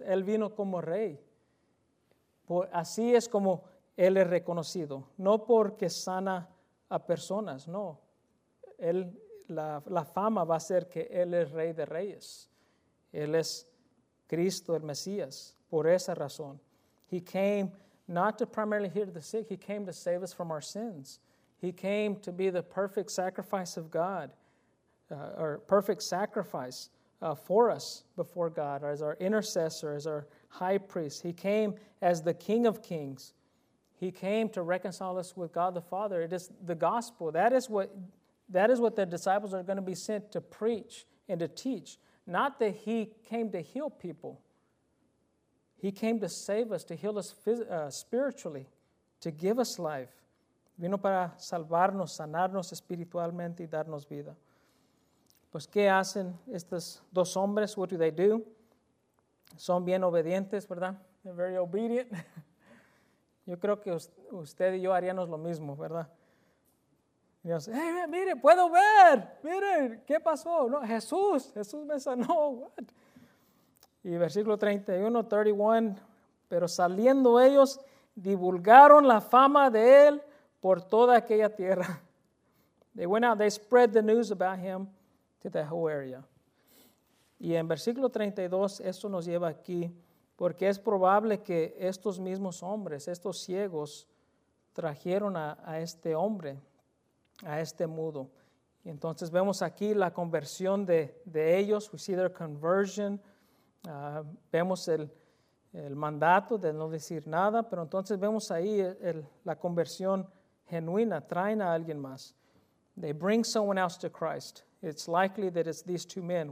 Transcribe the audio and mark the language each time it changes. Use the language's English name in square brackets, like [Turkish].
[Spanish] Él vino como rey. Así es como Él es reconocido. No porque sana a personas, no. Él, la fama va a ser que Él es rey de reyes. Él es Cristo, el Mesías, por esa razón. [English] He came not to primarily heal the sick. He came to save us from our sins. He came to be the perfect sacrifice of God, or perfect sacrifice for us before God, as our intercessor, as our high priest. He came as the King of Kings. He came to reconcile us with God the Father. It is the gospel. That is what the disciples are going to be sent to preach and to teach. Not that he came to heal people. He came to save us, to heal us spiritually, to give us life. [Spanish] Vino para salvarnos, sanarnos espiritualmente y darnos vida. Pues, ¿qué hacen estos dos hombres? [English] What do they do? [Spanish] Son bien obedientes, ¿verdad? [English] They're very obedient. [Spanish] Yo creo que usted y yo haríamos lo mismo, ¿verdad? Dios, hey, mire, puedo ver. Mire, ¿qué pasó? No, Jesús me sanó. [English] What? [Spanish] Y versículo 31, pero saliendo ellos, divulgaron la fama de él por toda aquella tierra. [English] They went out, they spread the news about him to the whole area. [Spanish] Y en versículo 32, esto nos lleva aquí, porque es probable que estos mismos hombres, estos ciegos, trajeron a este hombre, a este mudo. Y entonces vemos aquí la conversión de ellos. [English] We see their conversion. [Spanish] Vemos el mandato de no decir nada. Pero entonces vemos ahí la conversión genuina. Traen a alguien más. [English] They bring someone else to Christ. It's likely that it's these two men.